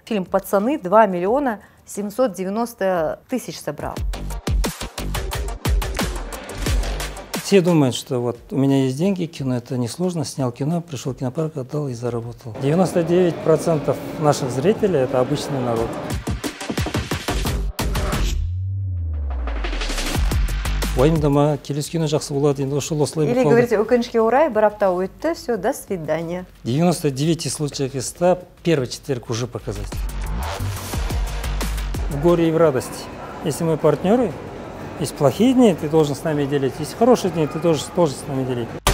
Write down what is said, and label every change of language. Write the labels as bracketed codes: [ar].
[ru] Фильм «Пацаны» 2 миллиона 790 тысяч собрал. Все думают, что вот у меня есть деньги, кино это несложно, снял кино, пришел в кинопарк, отдал и заработал. 99% наших зрителей – это обычный народ. [kk] Уайымдама, келесі кино жақсы болады, енді ұшыл осылай болады. [ru] Или говорите, [kk] өкінішке орай, бір апта өтті, [ru] все, до свидания. 99 случаев из 100, первый четверг уже показать. В горе и в радости. Если мы партнеры, есть плохие дни, ты должен с нами делить. Есть хорошие дни, ты тоже с нами делить.